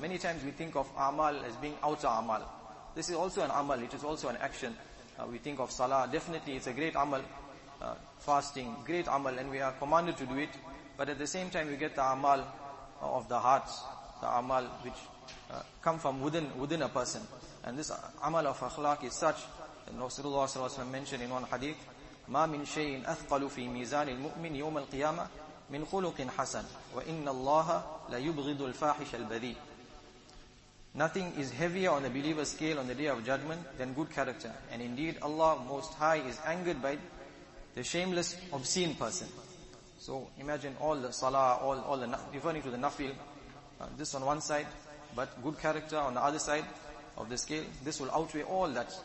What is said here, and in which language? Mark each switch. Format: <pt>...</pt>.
<en>Many times we think of amal as being outer amal. This is also an amal, it is also an action. We think of salah, definitely it's a great amal. Fasting, great amal, and we are commanded to do it. But at the same time we get the amal of the heart, the amal which come from within a person. And this amal of akhlaq is such, Rasulullah sallallahu alayhi wa sallam mentioned in one hadith,</en> <ar>مَا مِن شَيْءٍ أَثْقَلُ فِي مِيزَانِ الْمُؤْمِنِ يَوْمَ الْقِيَامَةِ مِنْ خُلُقٍ حَسَنٍ وَإِنَّ اللَّهَ لَيُبْغِضُ الْفَاحِشَ الْبَذِيءِ.</ar> <en>Nothing is heavier on a believer's scale on the day of judgment than good character. And indeed, Allah Most High is angered by the shameless, obscene person. So imagine all the salah, all the, referring to the nafil, this on one side, but good character on the other side of the scale, this will outweigh all that.</en>